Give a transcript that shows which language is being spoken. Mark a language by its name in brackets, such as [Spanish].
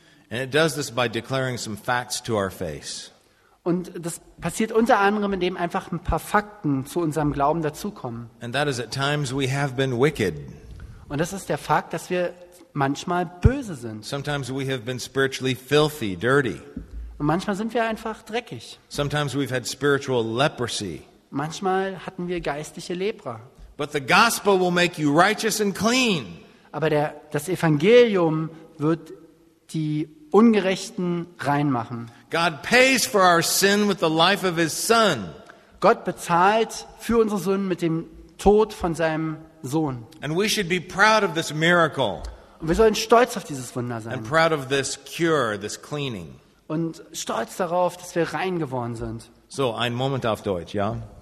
[English] And it does this by declaring some facts to our face. [German] Und das passiert unter anderem, indem einfach ein paar Fakten zu unserem Glauben dazukommen. [English] And that is at times we have been wicked. [German] Und das ist der Fakt, dass wir manchmal böse sind. [English] Sometimes we have been spiritually filthy, dirty. [German] Und manchmal sind wir einfach dreckig. [English] Sometimes we've had spiritual leprosy. [German] Manchmal hatten wir geistliche Lepra. [English] But the gospel will make you righteous and clean. [German] Aber das Evangelium wird die Ungerechten reinmachen. [English] God pays for our sin with the life of his son. [German] Gott bezahlt für unsere Sünden mit dem Tod von seinem Sohn. [English] And we should be proud of this miracle. [German] Und wir sollen stolz auf dieses Wunder sein. [English] And proud of this cure, this cleaning. [German] Und stolz darauf, dass wir rein geworden sind. So, ein Moment auf Deutsch, ja?